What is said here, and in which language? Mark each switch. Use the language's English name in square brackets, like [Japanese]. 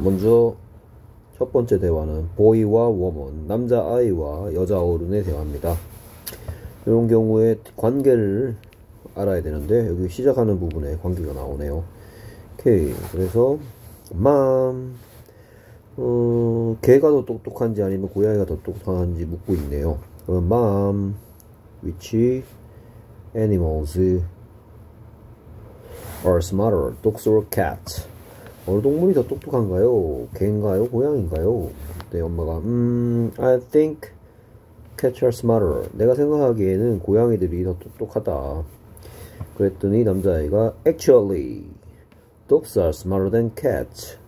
[Korean] 먼저 첫 번째 대화는 보이와 워먼, 남자 아이와 여자 어른의 대화입니다. 이런 경우에 관계를 알아야 되는데 여기 시작하는 부분에 관계가 나오네요. 오케이, 그래서 맘, 개가 더 똑똑한지 아니면 고양이가 더 똑똑한지 묻고 있네요. 그럼 맘, [English] which animals are smarter, dogs or cats? [Korean] 어느 동물이 더 똑똑한가요? 개인가요? 고양인가요? 네, 엄마가 [English] I think cats are smarter. [Korean] 내가 생각하기에는 고양이들이 더 똑똑하다. 그랬더니 남자아이가 [English] Actually, dogs are smarter than cats.